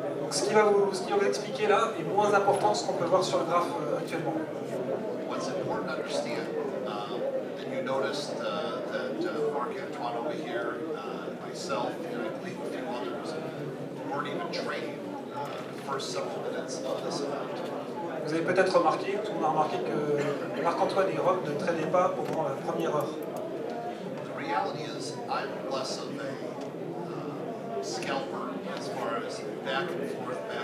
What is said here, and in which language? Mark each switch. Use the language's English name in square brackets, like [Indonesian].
[French] Ce qui va expliquer là est moins important ce qu'on peut voir sur le graphe actuellement. [English] What's important to understand, that you noticed that Marc-Antoine over here, myself, Eric Lee, a few others, weren't even trading the first several minutes of this event. [French] Vous avez peut-être remarqué, tout le monde a remarqué que Marc-Antoine et Rob ne tradaient pas pendant la première heure. [English] The reality is, I'm less of a scalper as far as back and forth.